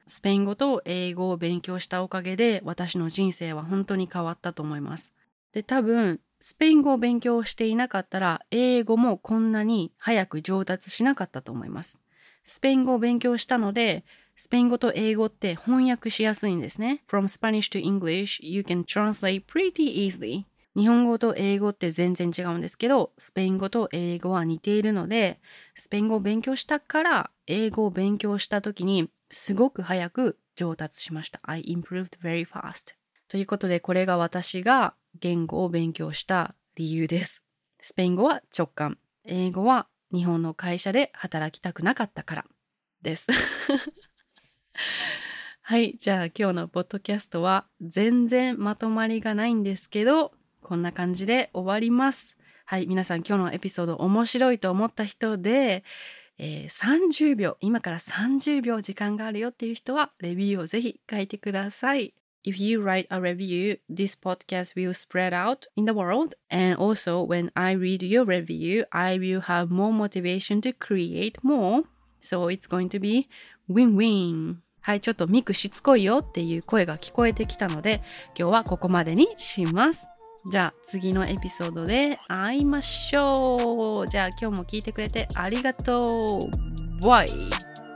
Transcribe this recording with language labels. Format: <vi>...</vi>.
<ja>スペイン語と英語を勉強したおかげで、私の人生は本当に変わったと思います。で、多分、スペイン語を勉強していなかったら、英語もこんなに早く上達しなかったと思います。スペイン語を勉強したので、スペイン語と英語って翻訳しやすいんですね。</ja> <en>From Spanish to English, you can translate pretty easily.</en> <ja>日本語と英語って全然違うんですけど、スペイン語と英語は似ているので、スペイン語を勉強したから、英語を勉強した時にすごく早く上達しました。</ja> <en>I improved very fast.</en> <ja>ということで、これが私が言語を勉強した理由です。スペイン語は直感。英語は日本の会社で働きたくなかったからです。はい、じゃあ今日のポッドキャストは全然まとまりがないんですけど、こんな感じで終わります。はい、皆さん今日のエピソード面白いと思った人で、30秒、今から30秒時間があるよっていう人はレビューをぜひ書いてください。</ja> <en>If you write a review, this podcast will spread out in the world. And also, when I read your review, I will have more motivation to create more. So it's going to be win-win.</en> <ja>はい、ちょっとミクしつこいよっていう声が聞こえてきたので、今日はここまでにします。じゃあ次のエピソードで会いましょう。じゃあ今日も聞いてくれてありがとう。バイ。</ja>